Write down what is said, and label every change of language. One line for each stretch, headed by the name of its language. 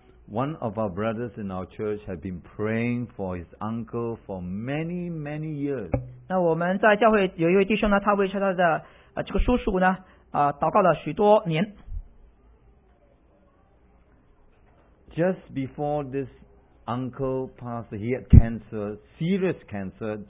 English: One of our brothers in our church had been praying for his uncle for many, many years.
Chinese: 那我们在教会有一位弟兄呢, 他为他的, 这个叔叔呢, 祷告了许多年。
English: Just before this uncle passed, he had cancer, serious cancer.